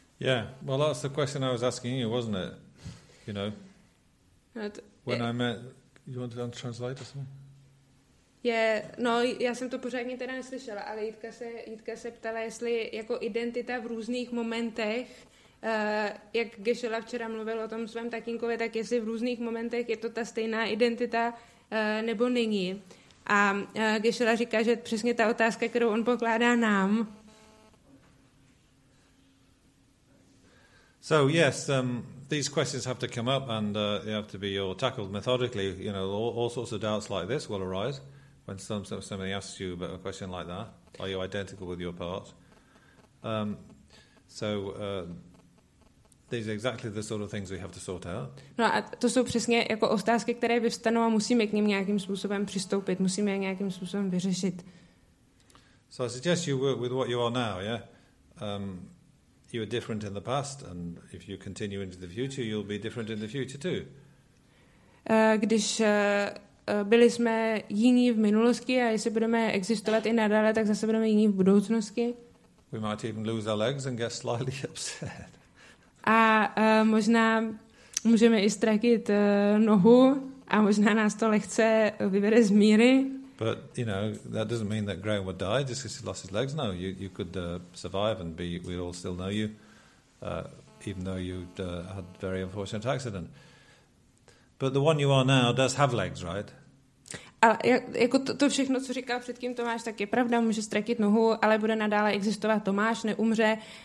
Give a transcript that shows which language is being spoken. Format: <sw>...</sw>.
<en>Yeah, well, that's the question I was asking you, wasn't it? You know, when I met, you want to translate or something?</en> <cs>Yeah, no, já jsem to pořádně teda neslyšela, ale Jitka se ptala, jestli jako identita v různých momentech, jak Geshe-la včera mluvil o tom svém tatínkovi, tak jestli v různých momentech je to ta stejná identita, nebo není. A Geshe-la říká, že přesně ta otázka, kterou on pokládá nám.</cs> <en>So yes, these questions have to come up, and they have to be tackled methodically. You know, all sorts of doubts like this will arise, when somebody asks you about a question like that, are you identical with your part? These are exactly the sort of things we have to sort out.</en> <cs>No, a to jsou přesně jako otázky, které vyvstanou a musíme k ním nějakým způsobem přistoupit, musíme je nějakým způsobem vyřešit.</cs> <en>So I suggest you work with what you are now, yeah? You were different in the past, and if you continue into the future, you'll be different in the future too.</en> <cs>Když byli jsme jiní v minulosti a jestli budeme existovat i nadále, tak zase budeme jiní v budoucnosti.</cs> <en>We might even lose our legs and get slightly upset.</en> <cs>A možná můžeme i ztratit nohu a možná nás to lehce vyvede z míry.</cs> <en>But you know that doesn't mean that Graham would die just because he lost his legs. No, you could survive and be we'd all still know you, even though you'd had a very unfortunate accident. But the one you are now does have legs, right?</en> <cs>A jako to všechno, co říkal předtím Tomáš, tak je pravda, může ztratit nohu, ale bude nadále existovat Tomáš, neumře.</cs>